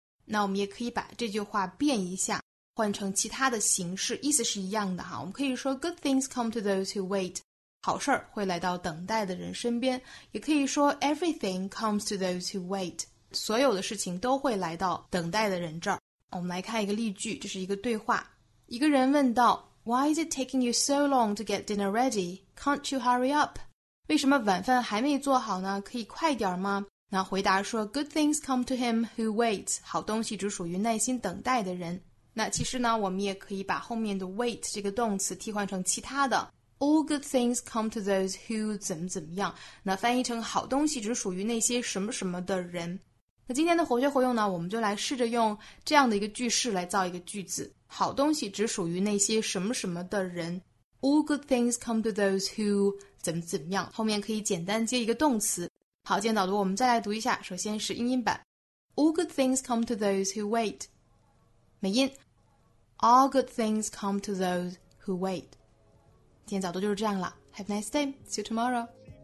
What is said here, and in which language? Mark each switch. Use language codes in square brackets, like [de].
[zh] 那我们也可以把这句话变一下，换成其他的形式，意思是一样的哈。我们可以说 [en] good things come to those who wait， [zh] 好事儿会来到等待的人身边，也可以说 [en] everything comes to those who wait， [zh] 所有的事情都会来到等待的人这儿。我们来看一个例句，这是一个对话。一个人问道 [en] Why is it taking you so long to get dinner ready? Can't you hurry up? [zh] 为什么晚饭还没做好呢？可以快点吗？那回答说 [en] good things come to him who waits， [zh] 好东西只属于耐心等待的人。那其实呢，我们也可以把后面的 wait 这个动词替换成其他的 [en] All good things come to those who [zh] 怎么怎么样，那翻译成好东西只属于那些什么什么的人。那今天的活学活用呢，我们就来试着用这样的一个句式来造一个句子，好东西只属于那些什么什么的人。 [en] All good things come to those who [zh] 怎么怎么样，后面可以简单接一个动词。好，今天导读我们再来读一下，首先是英音版 [en] All good things come to those who wait。 [zh] 美音 [en] All good things come to those who wait。 [zh] 今天早读就是这样了。 [en] Have a nice day. See you tomorrow.